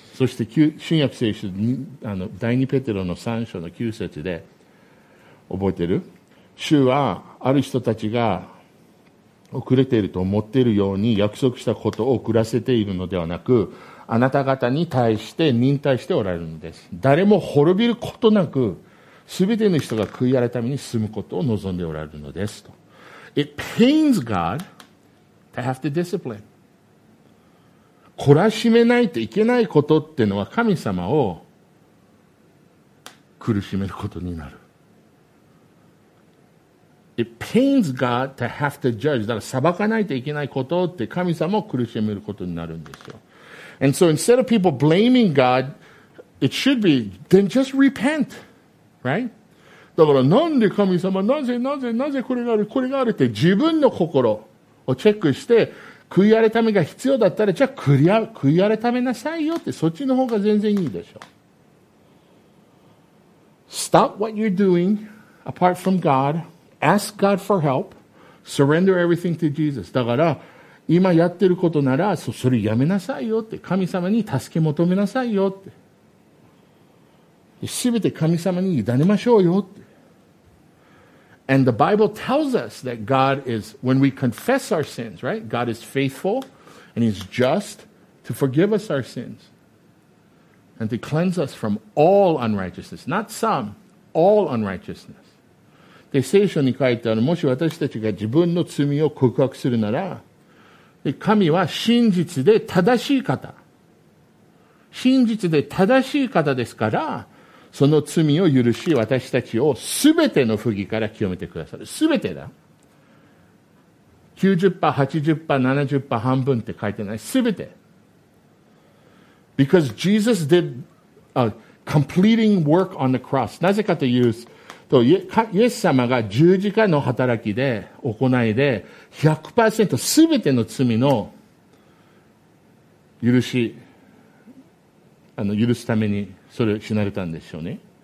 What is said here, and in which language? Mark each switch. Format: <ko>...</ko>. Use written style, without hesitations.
<ja>そして新約聖書第2ペテロの3章の9節で覚えてる? 主はある人たちが遅れていると思っているように約束したことを遅らせているのではなく、あなた方に対して忍耐しておられるのです。誰も滅びることなく、すべての人が悔い改めに進むことを望んでおられるのですと。</ja> <en>It pains God to have to discipline.</en> <ja>懲らしめないといけないことっていうのは神様を苦しめることになる。</ja> <en>It pains God to have to judge.</en> <ja>だから裁かないといけないことって神様を苦しめることになるんですよ。</ja> <en>And so instead of people blaming God, it should be, then just repent. Right?</en> <ja>だからなんで神様、なぜなぜなぜこれがある、これがあるって自分の心をチェックして、悔い改めが必要だったら、じゃあ悔い改めなさいよって、そっちの方が全然いいでしょ。</ja> <en>Stop what you're doing apart from God. Ask God for help. Surrender everything to Jesus.</en> <ja>だから今やってることなら それやめなさいよって神様に助け求めなさいよって全て神様に委ねましょうよって</ja> <en>And the Bible tells us that God is when we confess our sins, right? God is faithful and he's just to forgive us our sins and to cleanse us from all unrighteousness. Not some, all unrighteousness.</en> <ja>で聖書に書いてあるもし私たちが自分の罪を告白するなら神は真実で正しい方真実で正しい方ですからその罪を許し私たちを全ての不義から清めてくださる全てだ 90%、80%、70% 半分って書いてない全て</ja> <en>Because Jesus did a completing work on the cross</en> <ja>なぜかというとイエス様が十字架の働きで行いで 100% 全ての罪の許すためにそれを死なれたんでしょうね</ja>